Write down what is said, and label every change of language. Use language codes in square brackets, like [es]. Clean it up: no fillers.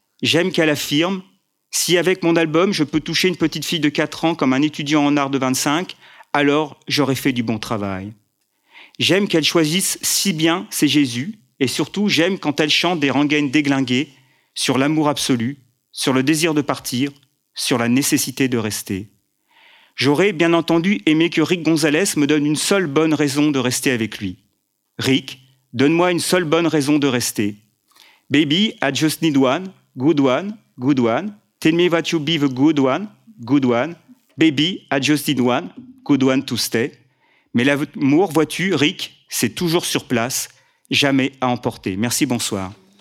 [fr] J'aime qu'elle affirme « Si avec mon album, je peux toucher une petite fille de 4 ans comme un étudiant en art de 25, alors j'aurai fait du bon travail. » J'aime qu'elle choisisse si bien ses Jésus, et surtout j'aime quand elle chante des rengaines déglinguées sur l'amour absolu, sur le désir de partir, sur la nécessité de rester. J'aurais bien entendu aimé que Rick Gonzalez me donne une seule bonne raison de rester avec lui. Rick, donne-moi une seule bonne raison de rester. [en] Baby, I just need one, good one, good one. Tell me that you'll be the good one, good one. Baby, I just need one, good one to stay. [fr] Mais l'amour, vois-tu, Rick, c'est toujours sur place, jamais à emporter. Merci, bonsoir.